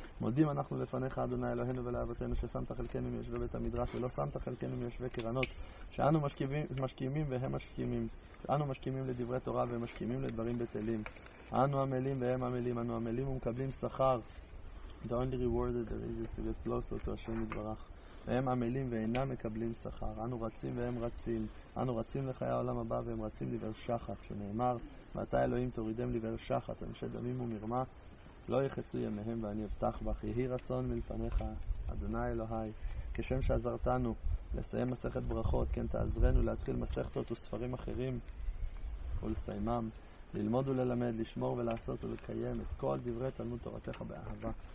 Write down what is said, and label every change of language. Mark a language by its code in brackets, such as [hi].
[he] Modim anachnu lefanecha Adonai Eloheinu ve'lehavotenu ששמת חלקנו מיושבי בית המדרש ולא שמת חלקנו מיושבי קרנות שאנו משכימים והם משכימים. אנו משכימים לדברי תורה ומשכימים לדברים בטלים. אנו עמלים והם עמלים, אנו עמלים ומקבלים שכר. [en] The only reward that there is to get close to השם יתברך. [he] והם עמלים ואינם מקבלים שכר. אנו רצים והם רצים. אנו רצים לחיי העולם הבא והם רצים לבאר שחת, שנאמר, ואתה אלוהים תורידם לבאר שחת, אנשי דמים ומרמה, לא יחצו ימיהם ואני אבטח בך. יהי רצון מלפניך, אדוני אלוהי, כשם שעזרתנו לסיים מסכת ברכות, כן תעזרנו להתחיל מסכתות וספרים אחרים ולסיימם, ללמוד וללמד, לשמור ולעשות ולקיים את כל דברי תלמוד תורתך באהבה.